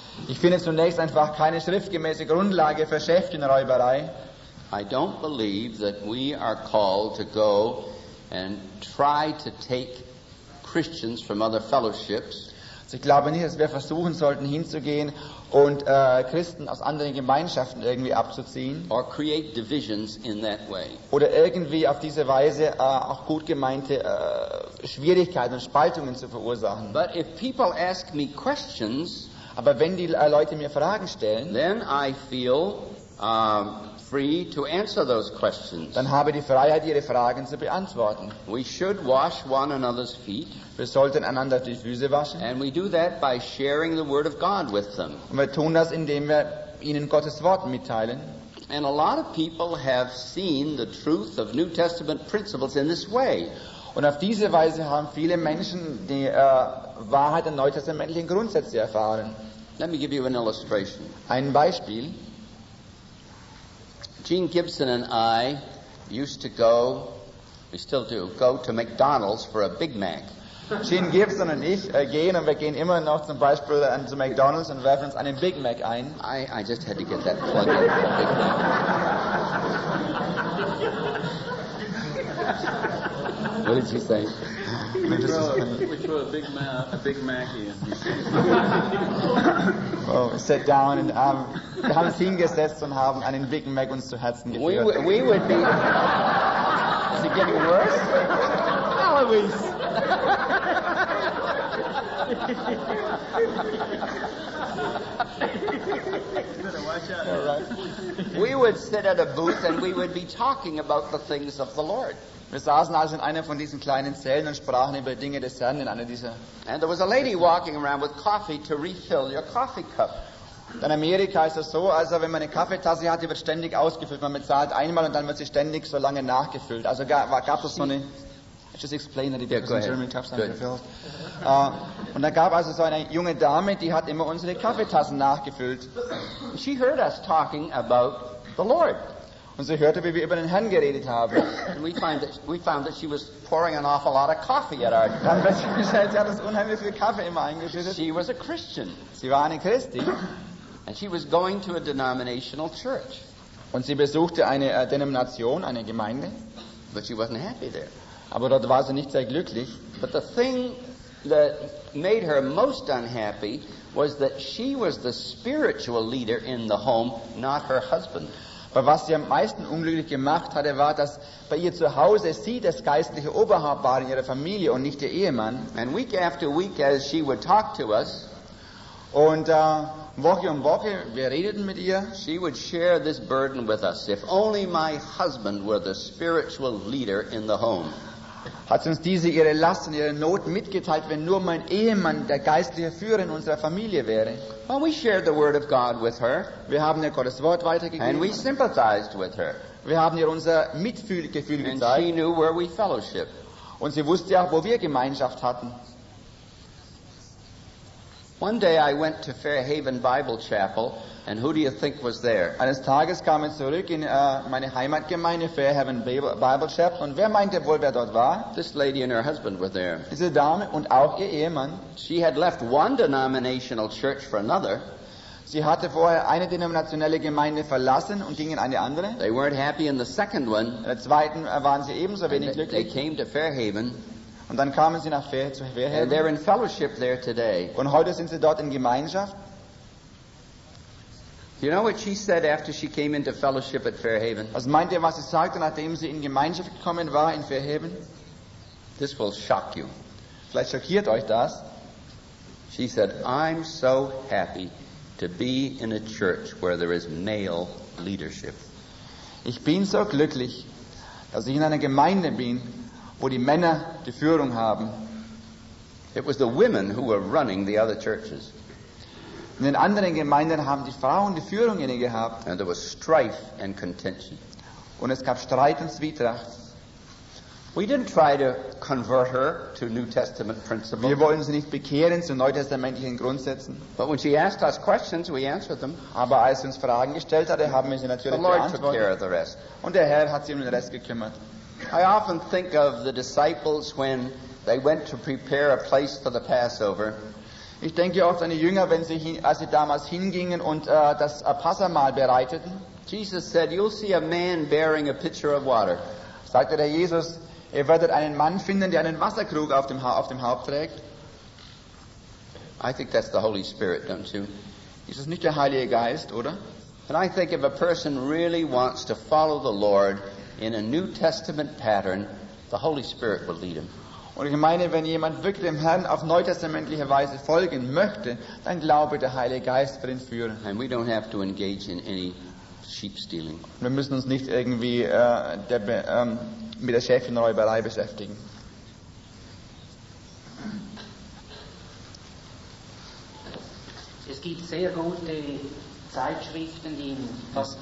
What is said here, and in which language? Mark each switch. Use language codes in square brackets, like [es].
[de] Ich finde zunächst einfach keine schriftgemäße Grundlage für Schäfchenräuberei. [en] I don't believe that we are called to go and try to take Christians from other fellowships. [de] Ich glaube nicht, dass wir versuchen sollten, hinzugehen und Christen aus anderen Gemeinschaften irgendwie abzuziehen. [en] Or create divisions in that way. [de] Oder irgendwie auf diese Weise auch gut gemeinte Schwierigkeiten und Spaltungen zu verursachen. [en] But if people ask me questions, [de] aber wenn die Leute mir Fragen stellen, [en] then I feel free to answer those questions. [de] Dann habe die Freiheit, ihre Fragen zu beantworten. [en] We should wash one another's feet. [de] Wir sollten einander die Füße waschen. [en] And we do that by sharing the word of God with them. [de] Und wir tun das, indem wir ihnen Gottes Wort mitteilen. [en] And a lot of people have seen the truth of New Testament principles in this way. [de] Und auf diese Weise haben viele Menschen die Wahrheit der neutestamentlichen Grundsätze erfahren. [en] Let me give you an illustration. [de] Ein Beispiel. [en] Gene Gibson and I used to go, we still do, go to McDonald's for a Big Mac. [de] Gene Gibson und ich gehen und wir gehen immer noch zum Beispiel zu McDonald's und werfen uns einen Big Mac ein. [en] I just had to get that plug in. What did you say? Which were a Big Mac here. Oh, sit down and [de] haben uns hingesetzt und haben einen Big Mac uns zu Herzen geführt. [en] We would be. Is it getting worse? Always. We would sit at a booth and we would be talking about the things of the Lord. [de] Wir saßen also in einer von diesen kleinen Zellen und sprachen über Dinge des Herrn in einer dieser. [en] And there was a lady walking around with coffee to refill your coffee cup. [de] In Amerika ist es so, also wenn man eine Kaffeetasse hat, die wird ständig ausgefüllt. Man bezahlt einmal und dann wird sie ständig so lange nachgefüllt. Also gab es so eine. [en] I just explain that it because German cups are refilled. [de] Und da gab also so eine junge Dame, die hat immer unsere Kaffeetassen nachgefüllt. [en] She heard us talking about the Lord. [de] Und sie hörte, wie wir über den Herrn geredet haben. [en] We found that she was pouring an awful lot of coffee at our. [de] Dann hat sie gesagt, sie hat uns unheimlich viel Kaffee immer eingeschüttet. [en] She was a Christian. [de] Sie war eine Christin. [en] And she was going to a denominational church. [de] Und sie besuchte eine Denomination, eine Gemeinde. [en] But she wasn't happy there. [de] Aber dort war sie nicht sehr glücklich. [en] But the thing that made her most unhappy was that she was the spiritual leader in the home, not her husband. [de] Aber was sie am meisten unglücklich gemacht hatte, war, dass bei ihr zu Hause sie das geistliche Oberhaupt war in ihrer Familie und nicht ihr Ehemann. [en] And week after week, as she would talk to us, [de] und Woche um Woche, wir redeten mit ihr, [en] she would share this burden with us. If only my husband were the spiritual leader in the home. [de] Hat sie uns diese ihre Last und ihre Not mitgeteilt, wenn nur mein Ehemann der geistliche Führer in unserer Familie wäre? [en] Well, we shared the word of God with her. [de] Wir haben ihr Gottes Wort weitergegeben. [en] And we sympathized with her. [de] Wir haben ihr unser Mitfühlgefühl gezeigt. [en] And she knew where we fellowship. [de] Und sie wusste auch, wo wir Gemeinschaft hatten. [en] One day I went to Fairhaven Bible Chapel, and who do you think was there? [de] Eines Tages kam ich zurück in meine Heimatgemeinde Fairhaven Bible Chapel, und wer meinte wohl, wer dort war? [en] This lady and her husband were there. [de] Diese Dame und auch ihr Ehemann. [en] She had left one denominational church for another. [de] Sie hatte vorher eine denominationelle Gemeinde verlassen und ging in eine andere. [en] They weren't happy in the second one. [de] In der zweiten waren sie ebenso wenig glücklich. [en] They came to Fairhaven. [de] Und dann kamen sie nach Fair, zu Fairhaven. [en] And they're in fellowship there today. [de] Und heute sind sie dort in Gemeinschaft. [en] You know what she said after she came into fellowship at Fairhaven? [de] Was meint ihr, was sie sagte, nachdem sie in Gemeinschaft gekommen war in Fairhaven? [en] This will shock you. [de] Vielleicht schockiert euch das. [en] She said, "I'm so happy to be in a church where there is male leadership." [de] Ich bin so glücklich, dass ich in einer Gemeinde bin, wo die Männer die Führung haben. [en] It was the women who were running the other churches. [de] In den anderen Gemeinden haben die Frauen die Führung inne gehabt. [en] And there was strife and contention. [de] Und es gab Streit und Zwietracht. [en] We didn't try to convert her to New Testament principles. [de] Wir wollten sie nicht bekehren zu neutestamentlichen Grundsätzen. [en] But when she asked us questions, we answered them. [de] Aber als sie uns Fragen gestellt hatte, haben wir sie natürlich beantwortet. [en] The Lord took care of the rest. [de] Und der Herr hat sich um den Rest gekümmert. [en] I often think of the disciples when they went to prepare a place for the Passover. [de] Ich denke oft an die Jünger, als sie damals hingingen und das Passamahl bereiteten. [en] Jesus said, "You'll see a man bearing a pitcher of water." [de] Sagte der Jesus, ihr werdet einen Mann finden, der einen Wasserkrug auf dem Haupt trägt. [en] I think that's the Holy Spirit, don't you? [de] Ist das nicht der Heilige Geist, oder? [en] And I think if a person really wants to follow the Lord in a New Testament pattern, the Holy Spirit will lead him. [de] Und ich meine, wenn jemand wirklich dem Herrn auf neutestamentliche Weise folgen möchte, dann glaube der Heilige Geist wird ihn führen. [en] And we don't have to engage in any sheep stealing. [de] Wir müssen uns nicht irgendwie mit der Schäfchenräuberei beschäftigen. Es gibt sehr gute Zeitschriften, die in fast